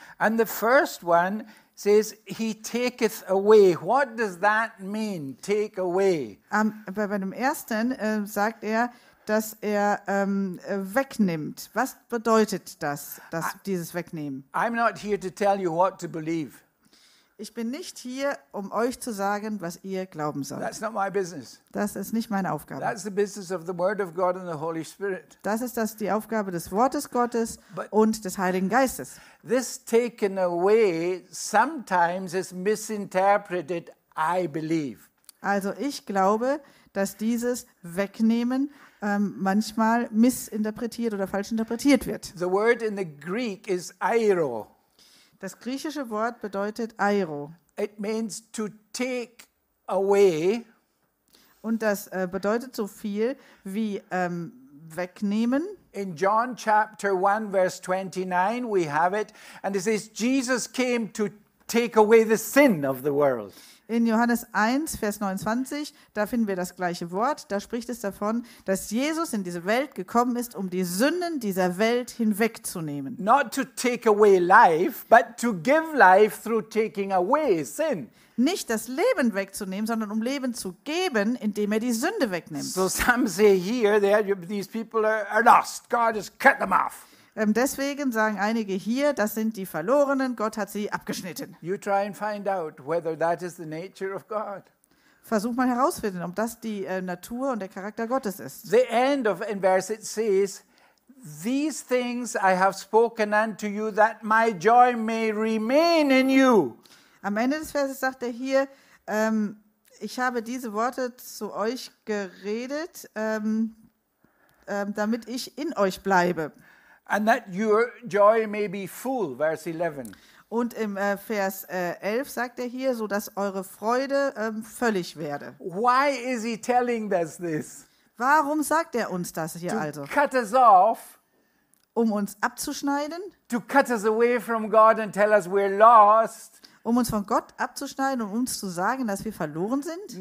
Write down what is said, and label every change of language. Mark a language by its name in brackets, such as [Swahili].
[English] And the first one says, he taketh away. What does that mean, take away? [German] Bei dem ersten sagt er, dass er wegnimmt. Was bedeutet das, dieses Wegnehmen? [English] I'm not here to tell you what to believe. [German] Ich bin nicht hier, um euch zu sagen, was ihr glauben sollt. [English] That's not my business. [German] Das ist nicht meine Aufgabe. [English] That's the business of the Word of God and the Holy Spirit. [German] Das ist die Aufgabe des Wortes Gottes und des Heiligen Geistes. [English] This taken away sometimes is misinterpreted, I believe. [German] Also ich glaube, dass dieses Wegnehmen manchmal missinterpretiert oder falsch interpretiert wird. [English] The word in the Greek is airo. [German] Das griechische Wort bedeutet airo. [English] It means to take away. [German] Und das bedeutet so viel wie wegnehmen. [English] In John chapter 1 verse 29 we have it and it says Jesus came to take away the sin of the world. [German] In Johannes 1 vers 29 da finden wir das gleiche Wort, da spricht es davon, dass Jesus in diese Welt gekommen ist, um die Sünden dieser Welt hinwegzunehmen. [English] Not to take away life, but to give life through taking away sin. [German] Nicht das Leben wegzunehmen, sondern um Leben zu geben, indem er die Sünde wegnimmt. [English] So some say here there these people are lost. God has cut them off. [German] Deswegen sagen einige hier, das sind die Verlorenen, Gott hat sie abgeschnitten. [English] You try and find out whether that is the nature of God. [German] Versuch mal herauszufinden, ob das die Natur und der Charakter Gottes ist. [English] The end of in verse it says, these things I have spoken unto you, that my joy may remain in you. [German] Am Ende des Verses sagt er hier, ich habe diese Worte zu euch geredet, damit ich in euch bleibe. [English] And that your joy may be full, verse 11. [German] Und im Vers 11 sagt er hier, so dass eure Freude völlig werde. [English] Why is he telling us this? [German] Warum sagt er uns das hier [English] to [German] also? [English] Cut us off, [German] um uns abzuschneiden. [English] To cut us away from God and tell us we're lost. [German] Um uns von Gott abzuschneiden und uns zu sagen, dass wir verloren sind.